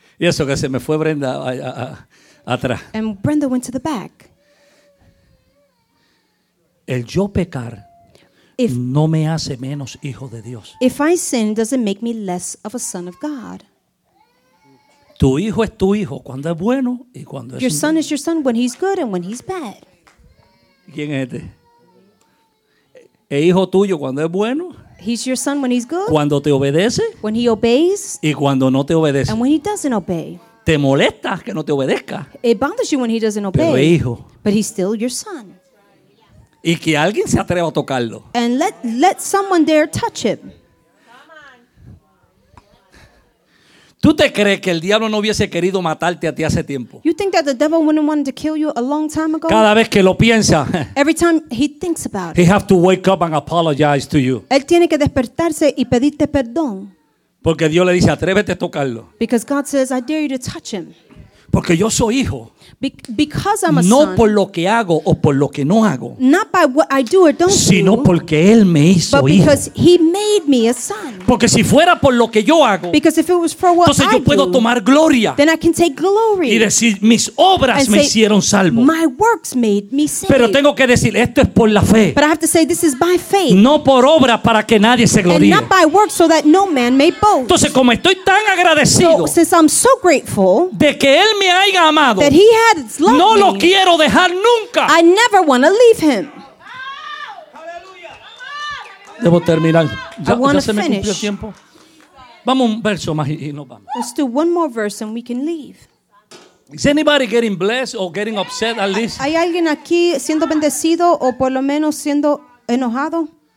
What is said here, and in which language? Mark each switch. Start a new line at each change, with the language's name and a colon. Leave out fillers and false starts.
Spanish: Y eso que se me fue Brenda a atrás.
English: And Brenda went to the back.
Spanish: El yo pecar if, no me hace menos hijo de Dios.
English: If I sin, does it make me less of a son of God?
Spanish: Tu hijo es tu hijo cuando es bueno y cuando es
English: your son is your son when he's good and when he's bad.
Spanish: ¿Quién es este? Es hijo tuyo cuando es bueno.
English: He's your son when he's good.
Spanish: Cuando te obedece.
English: When he obeys.
Spanish: Y cuando no te obedece.
English: And when he doesn't obey.
Spanish: Te molesta que no te obedezca.
English: It bothers you when he doesn't obey.
Spanish: Pero es hijo.
English: But he's still your son.
Spanish: Y que alguien se atreva a tocarlo.
English: And let someone dare touch him.
Spanish: ¿Tú te crees que el diablo no hubiese querido matarte a ti hace tiempo?
English: You think that the devil wouldn't want to kill you a long time ago?
Spanish: Cada vez que lo piensa.
English: Every time he thinks about it. He has to wake up and apologize to you.
Spanish: Él tiene que despertarse y pedirte perdón. Porque Dios le dice, atrévete a tocarlo.
English: Because God says, I dare you to touch him.
Spanish: Porque yo soy hijo.
English: Because I'm a
Spanish: no
English: son.
Spanish: No por lo que hago o por lo que no hago.
English: Not by what I do or don't
Spanish: sino
English: do.
Spanish: Sino porque Él me hizo hijo.
English: But because
Spanish: hijo.
English: He made me a son.
Spanish: Porque si fuera por lo que yo hago.
English: Because if it was for what I do.
Spanish: Entonces yo puedo tomar gloria.
English: Then I can take glory.
Spanish: Y decir, mis obras me
English: say,
Spanish: hicieron salvo.
English: My works made me saved.
Spanish: Pero tengo que decir, esto es por la fe.
English: But I have to say, this is by faith.
Spanish: No por obra para que nadie se gloríe.
English: And not by works so that no man may boast.
Spanish: Entonces como estoy tan agradecido.
English: So, since I'm so grateful.
Spanish: De que Él me haya amado.
English: That he had loved
Spanish: no
English: me.
Spanish: Lo quiero dejar nunca.
English: I never want to leave him.
Spanish: Debo terminar. Ya, ya se me cumplió el tiempo. Vamos un verso más y nos vamos.
English: Let's do one more verse and we can leave. Is anybody getting blessed or getting upset at least?
Spanish: ¿Hay alguien aquí siendo bendecido o por lo menos siendo enojado?